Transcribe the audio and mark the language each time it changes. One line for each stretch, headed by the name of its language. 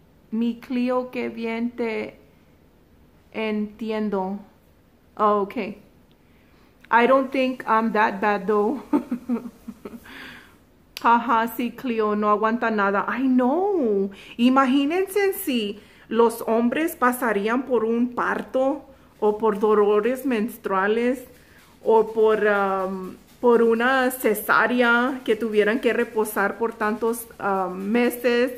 Spanish: Mi Clio, qué bien te entiendo.
English: Oh, okay. I don't think I'm that bad though.
Spanish: Jaja, sí, Clio, no aguanta nada.
English: I know.
Spanish: Imagínense si los hombres pasarían por un parto o por dolores menstruales o por una cesárea que tuvieran que reposar por tantos meses.